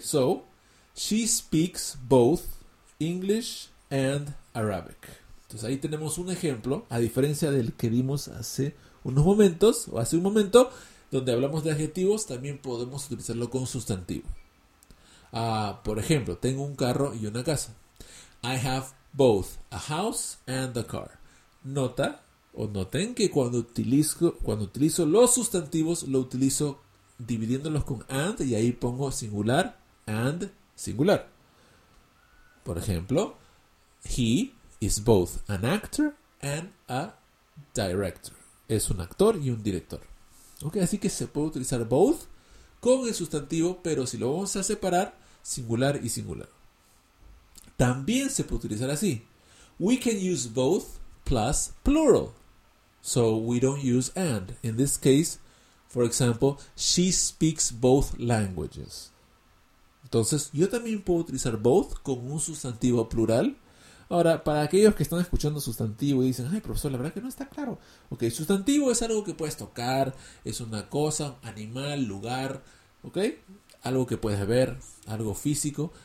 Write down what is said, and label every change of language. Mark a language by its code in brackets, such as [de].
[en] So, she speaks both English and Arabic. [es] Entonces ahí tenemos un ejemplo, a diferencia del que vimos hace unos momentos, o hace un momento, donde hablamos de adjetivos, también podemos utilizarlo con sustantivo. Por ejemplo, tengo un carro y una casa. [en] I have both a house and a car. [es] Nota, o noten que cuando utilizo los sustantivos, lo utilizo dividiéndolos con and, y ahí pongo singular, and, singular. Por ejemplo, [en] he is both an actor and a director. [es] Es un actor y un director. Ok, así que se puede utilizar both con el sustantivo, pero si lo vamos a separar, singular y singular. También se puede utilizar así. [en] We can use both plus plural. So we don't use and. In this case, for example, she speaks both languages. [es] Entonces, yo también puedo utilizar both con un sustantivo plural. Ahora, para aquellos que están escuchando sustantivo y dicen, ay, profesor, la verdad que no está claro. Ok, sustantivo es algo que puedes tocar, es una cosa, animal, lugar, ok, algo que puedes ver, algo físico.